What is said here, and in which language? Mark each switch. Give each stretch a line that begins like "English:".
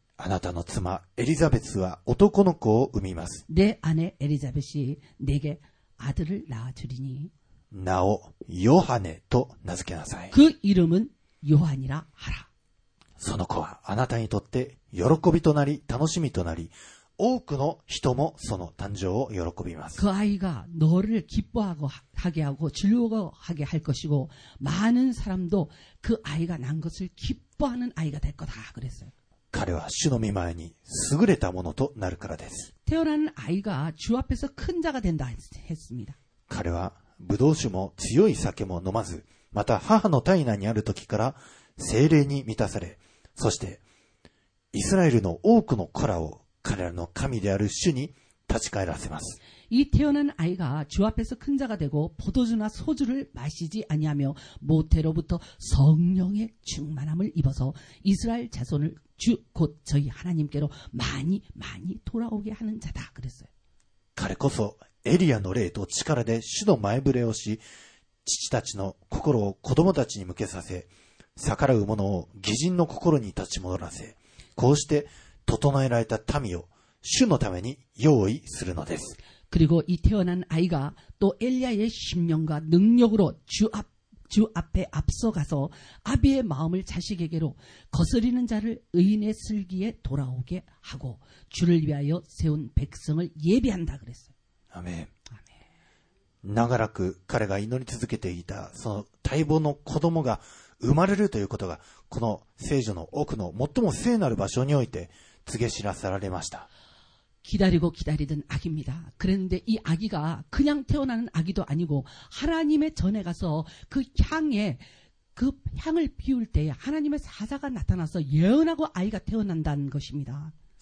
Japanese: あなたの妻エリザベスは男の子を産みます
Korean: 내아내エリザベス이내게아들을낳아주리니
Japanese: 나오요하네と名付けなさい
Korean: 그이름은요한이라하라
Japanese: その子はあなたにとって喜びとなり楽しみとなり多くの人もその誕生を喜びます
Korean: 그아이가너를기뻐하고하게하고즐거워하게할것이고많은사람도그아이가난것을기뻐하는아이가될거다그랬어요
Japanese: 彼は主の御前に優れたものとなるからです
Korean: 태어난아이가주앞에서큰자가된다했습니다
Japanese: 彼は葡萄酒も強い酒も飲まずまた母の体内にある時から聖霊に満たされそしてイスラエルの多くの子らを彼らの神である主に立ち返らせます
Korean: 이태어난아이가주앞에서큰자가되고포도주나소주를마시지아니하며모태로부터성령의충만함을입어서이스라엘자손을주곧저희하나님께로많이많이돌아오게하는자다그랬어요
Japanese: 彼こそエリアの霊と力で主の前触れをし父たちの心を子供たちに向けさせ逆らう者を義人の心に立ち戻らせこうして整えられた民を主のために用意するのです
Korean: 그리고이태어난아이가또엘리야의신명과능력으로주앞 주 앞에 앞서가서 아비의 마음을 자식에게로 거스리는 자를 의인의 슬기에 돌아오게 하고 주를 위하여 세운 백성을 예비한다 그랬어요. 아멘.
Japanese: 長らく彼が祈り続けていたその待望の子供が生まれるということがこの聖女の奥の最も聖なる場所において告げ知らされました。
Korean: 기다리고 기다리던 아기입니다. 그런데 이 아기가 그냥 태어나는 아기도 아니고 하나님의 전에 가서 그 향에 그 향을 피울 때 하나님의 사자가 나타나서 예언하고 아이가 태어난다는 것입니다.